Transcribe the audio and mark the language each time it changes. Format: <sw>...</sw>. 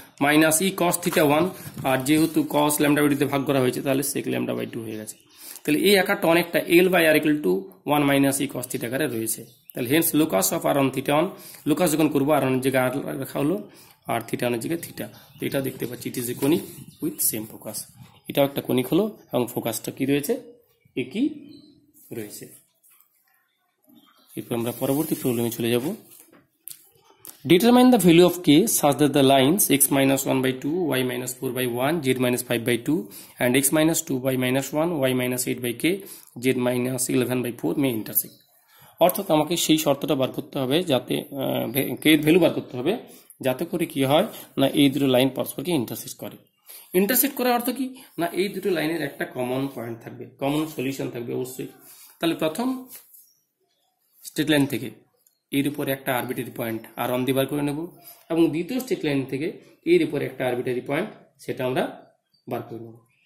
<bn>Minus E cos theta one, আর যেহেতু কস lambda by টুতে ভাগ করা হয়েছে তাহলে সেক ল্যামডা বাই টু হয়ে গেছে, তাহলে এই একাটা অনেকটা L by আর equal to one minus E cos theta করে রয়েছে, তাহলে Haynes locus of আর one theta one, locus যখন করবো আর ওয়ানের জায়গায় আর রাখা হলো আর থিটা ওয়ানের জায়গায় থিটা, এটা দেখতে পাচ্ছি</bn> <en>it is a conic with same focus,</en> <bn>এটাও একটা কোনিক হলো এবং ফোকাসটা কি রয়েছে একই রয়েছে। এরপর আমরা পরবর্তী প্রবলেমে চলে যাব।</bn> <en>Determine the value of k such that the lines x minus 1 by 2, y minus 4 by 1, z minus 5 by 2 and x minus 2 by minus 1, y minus 8 by k, z minus 11 by 4 may intersect.</en> <bn>অর্থাৎ আমাকে সেই শর্তটা বার করতে হবে যাতে k এর value বার করতে হবে যাতে করে কি হয় না এই দুটো লাইন পরস্পরকে ইন্টারসেক্ট করে। ইন্টারসেক্ট করার অর্থ কি না এই দুটো লাইনের একটা কমন পয়েন্ট থাকবে, কমন সলিউশন থাকবে অবশ্যই, তাহলে প্রথম স্ট্রেট লাইন থেকে এর উপরে একটা আরবিটারি পয়েন্ট আর ওয়ান দিয়ে বার করে নেব এবং দ্বিতীয় স্ট্রেট লাইন থেকে এর উপরে একটা আরবিটারি পয়েন্ট সেটা আমরা বার করে নেব।</bn>